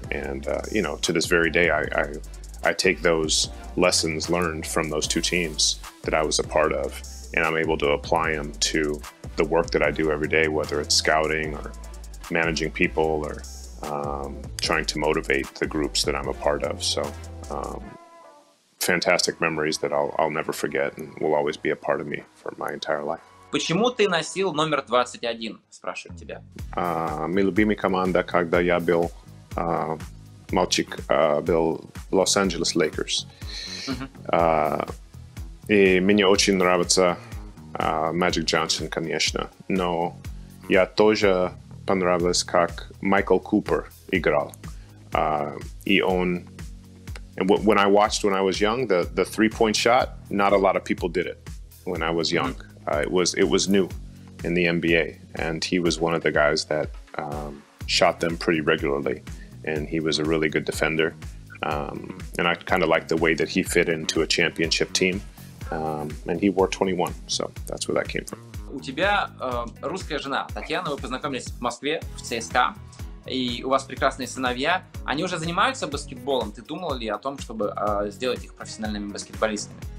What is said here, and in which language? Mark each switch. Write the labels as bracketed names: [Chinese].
[English] And you know, to this very day, I take those lessons learned from those two teams that I was a part of, and I'm able to apply them to the work that I do every day, whether it's scouting or managing people or trying to motivate the groups that I'm a part of. So fantastic memories that I'll never forget and will always be a part of me for my entire life. [Russian] Почему ты носил номер 21, спрашивают тебя? Мой любимый команда, когда я был мальчик, был Лос-Анджелес Лейкерс. И мне очень нравится Magic Johnson, конечно, но я тоже понравился, как Майкл Купер играл. И он... [English] And when I watched when I was young, the three-point shot, not a lot of people did it when I was young. It was new in the NBA, and he was one of the guys that shot them pretty regularly, and he was a really good defender. And I kind of liked the way that he fit into a championship team. And he wore 21, so that's where that came from. [Russian] У тебя русская жена, Татьяна, вы познакомились в Москве, в ЦСКА, и у вас прекрасные сыновья. Они уже занимаются баскетболом? Ты думал ли о том, чтобы сделать их профессиональными баскетболистами?